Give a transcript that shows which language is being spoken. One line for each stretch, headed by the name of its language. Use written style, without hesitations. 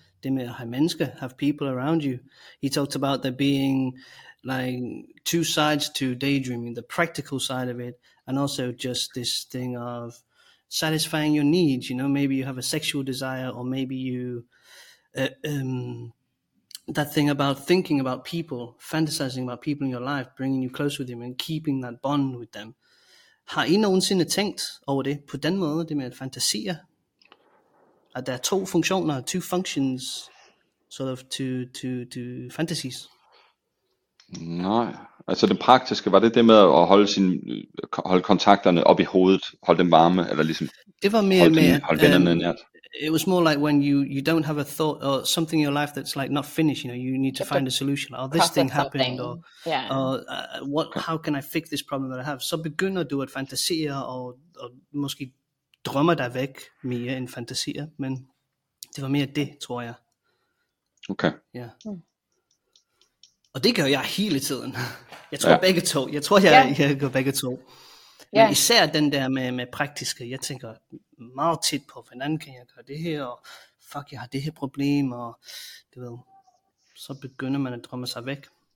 Danish: Det med at have mennesker,
English: have people around you. He talked about there being like two sides to daydreaming, the practical side of it, and also just this thing of satisfying your needs. You know, maybe you have a sexual desire, or maybe you... that thing about thinking about people, fantasizing about people in your life, bringing you close with them and keeping that bond with them.
Danish: Har I nogensinde tænkt over det på den måde, det med at fantasere? At der er to funktioner,
English: two functions, sort of to fantasies?
Danish: Nej, altså det praktiske, var det med at holde kontakterne op i hovedet, holde dem varme, eller ligesom det var mere holde, holde vennerne nært?
English: It was more like when you don't have a thought or something in your life that's like not finished, you know, you need to find a solution, or this thing happened, or what, how can I fix this problem that I have?
Danish: Så begynder du at fantasere, og måske drømmer dig væk mere end fantasier, men det var mere det, tror jeg. Okay. Ja. Mm. Og det gør jeg hele tiden. Jeg tror begge to. Jeg tror, jeg gør begge to. Ja. Især den der med praktiske, jeg tænker meget tit på, hvordan kan jeg gøre det her, og fuck, jeg har det her problem, og du ved, så begynder man at drømme sig væk.